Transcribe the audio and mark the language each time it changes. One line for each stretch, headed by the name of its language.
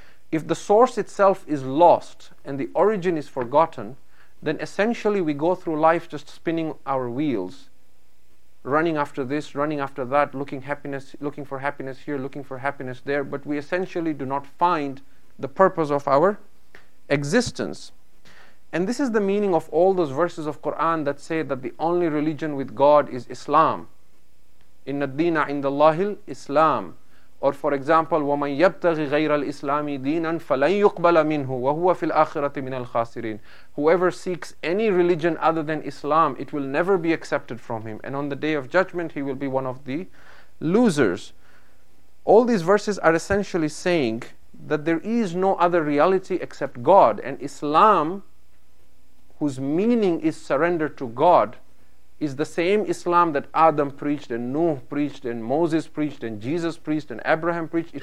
English: If the source itself is lost and the origin is forgotten, then essentially we go through life just spinning our wheels, running after this, running after that, looking for happiness here, looking for happiness there, but we essentially do not find the purpose of our existence. And this is the meaning of all those verses of Quran that say that the only religion with God is Islam.
Arabic: إِنَّ الدِّينَ عِنْدَ اللَّهِ الْإِسْلَامِ.
English: Or for example,
Arabic: وَمَنْ يَبْتَغِ غَيْرَ الْإِسْلَامِ دِينًا فَلَنْ يُقْبَلَ مِنْهُ وَهُوَ فِي الْآخِرَةِ مِنَ الْخَاسِرِينَ.
English: Whoever seeks any religion other than Islam, it will never be accepted from him. And on the Day of Judgment, he will be one of the losers. All these verses are essentially saying that there is no other reality except God. And Islam, whose meaning is surrender to God, is the same Islam that Adam preached and Nuh preached and Moses preached and Jesus preached and Abraham preached.